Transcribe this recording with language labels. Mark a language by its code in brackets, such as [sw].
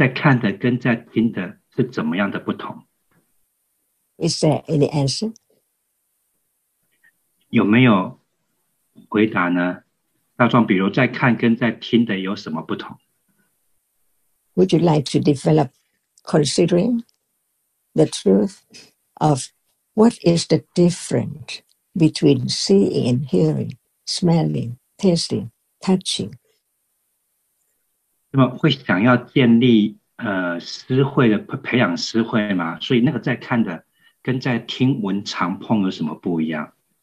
[zh] 那么，这些呢，之前其实都没有去想过，可是我们真的懂吗？那个在看的跟在听的是怎么样的不同？ [en] Is there any answer? [zh] 有没有回答呢？大壮，比如在看跟在听的有什么不同？ [en] Would you like to develop considering the truth of what is the difference between seeing and hearing, smelling, tasting, touching? [zh] 那么会想要建立思慧的培养思慧吗？所以那个在看的跟在听闻尝碰有什么不一样？